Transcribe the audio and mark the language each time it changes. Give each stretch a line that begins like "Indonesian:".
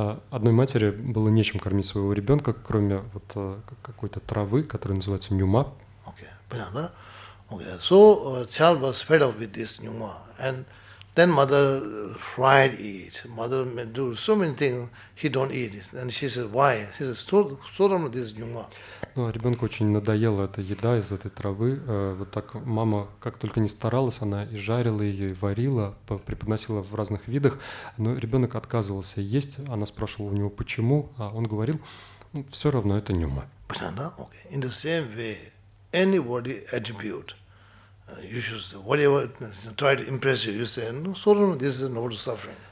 Russian: Одной матери было нечем кормить своего ребенка, кроме вот какой-то травы, которая называется нюма. Окей, понятно, да?
English: Окей, so child was fed up with this нюма, and then mother fried it, mother may do so many things, he don't eat it, and she said, why? He said, so this нюма.
Russian: Ну, а ребенку очень надоела эта еда из этой травы. Вот так мама, как только не старалась, она и жарила ее, и варила, преподносила в разных видах. Но ребенок отказывался есть. Она спрашивала у него, почему. А он говорил, ну, все равно это нюма. Понятно? Okay.
English: In the same way, anybody attribute, you should say, whatever try to impress you, you say, no, sort of, this is not suffering.